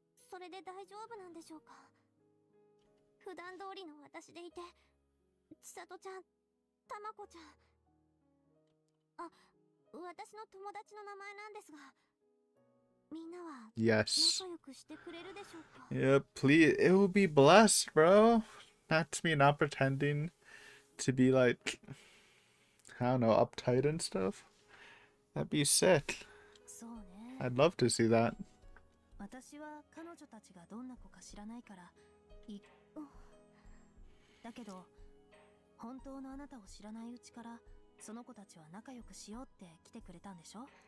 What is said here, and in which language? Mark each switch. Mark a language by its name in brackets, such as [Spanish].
[Japanese] それで大丈夫なんでしょうか。普段通りの私でいて、千里ちゃん、たまこちゃん、あ、私の友達の名前なんですが、みんなは仲良くしてくれるでしょうか。 [English] Yes. Yeah, please. It will be blessed, bro. That's me not pretending to be like, I don't know, uptight and stuff. That'd be sick. [Japanese] そうね。 [English] I'd love to see that. [Japanese] 私は彼女たちがどんな子か知らないから、いっ、だけど本当のあなたを知らないうちからその子たちは仲良くしようって来てくれたんでしょ。